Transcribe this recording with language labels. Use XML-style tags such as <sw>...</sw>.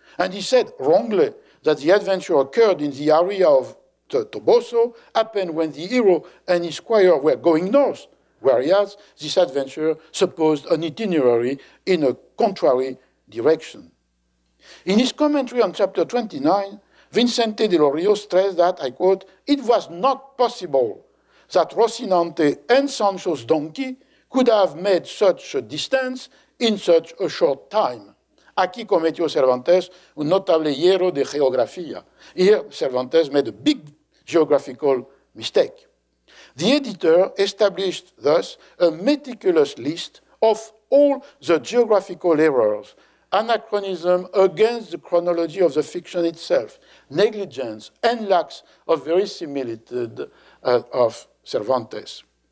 <en>And he said wrongly that the adventure occurred in the area of Toboso, happened when the hero and his squire were going north, whereas this adventure supposed an itinerary in a contrary direction. In his commentary on chapter 29, Vicente de los Ríos stressed that, I quote, it was not possible that Rocinante and Sancho's donkey could have made such a distance in such a short time.</en> <es>Aquí cometió Cervantes un notable hierro de geografía.</es> <en>Here, Cervantes made a big geographical mistake. The editor established thus a meticulous list of all the geographical errors, anachronism against the chronology of the fiction itself, negligence and lack of verisimilitude of Cervantes.</en>